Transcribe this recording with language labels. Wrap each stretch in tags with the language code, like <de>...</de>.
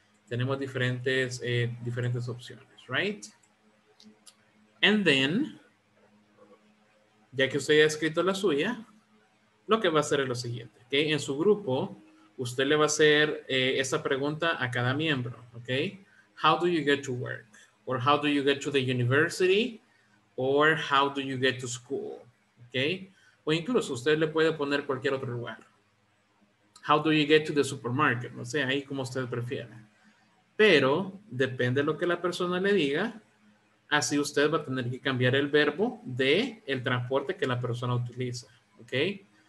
<es>Tenemos diferentes, diferentes opciones, right?</es> <en>And then,</en> <es>ya que usted ha escrito la suya, lo que va a hacer es lo siguiente, okay? En su grupo, usted le va a hacer esa pregunta a cada miembro, okay?</es> <en>How do you get to work? Or how do you get to the university? Or how do you get to school? Okay?</en> <es>O incluso usted le puede poner cualquier otro lugar.</es> <en>How do you get to the supermarket?</en> <es>No sé, ahí como usted prefiera. Pero depende de lo que la persona le diga, así usted va a tener que cambiar el verbo de el transporte que la persona utiliza. Okay?</es>